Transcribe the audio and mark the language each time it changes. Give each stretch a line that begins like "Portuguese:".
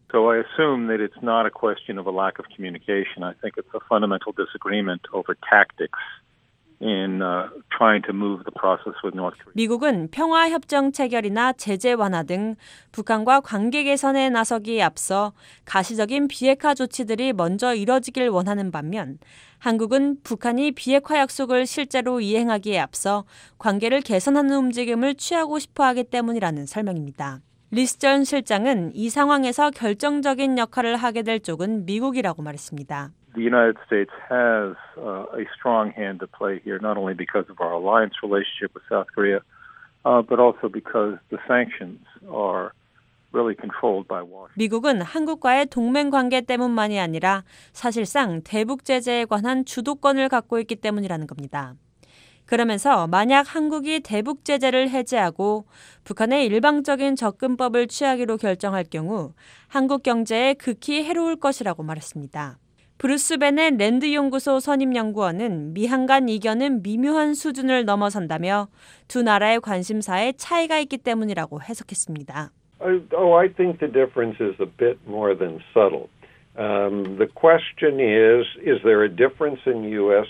English: So I assume that it's not a question of a lack of communication. I think it's a fundamental disagreement over tactics. In trying to move the process with North Korea.
Korean: 미국은 평화 협정 체결이나 제재 완화 등 북한과 관계 개선에 나서기에 앞서 가시적인 비핵화 조치들이 먼저 이뤄지길 원하는 반면 한국은 북한이 비핵화 약속을 실제로 이행하기에 앞서 관계를 개선하는 움직임을 취하고 싶어 하기 때문이라는 설명입니다. 리스 전 실장은 이 상황에서 결정적인 역할을 하게 될 쪽은 미국이라고 말했습니다.
English: The United States has a strong hand to play here, not only because of our alliance relationship with South Korea, but also because the sanctions are really controlled by Washington.
Korean: 미국은 한국과의 동맹 관계 때문만이 아니라 사실상 대북 제재에 관한 주도권을 갖고 있기 때문이라는 겁니다. 그러면서 만약 한국이 대북 제재를 해제하고 북한의 일방적인 접근법을 취하기로 결정할 경우 한국 경제에 극히 해로울 것이라고 말했습니다. 브루스 베넷 랜드연구소 선임연구원은 미한 간 이견은 미묘한 수준을 넘어선다며 두 나라의 관심사에 차이가 있기 때문이라고 해석했습니다.
English: I think the difference is a bit more than subtle. The question is there a difference in U.S.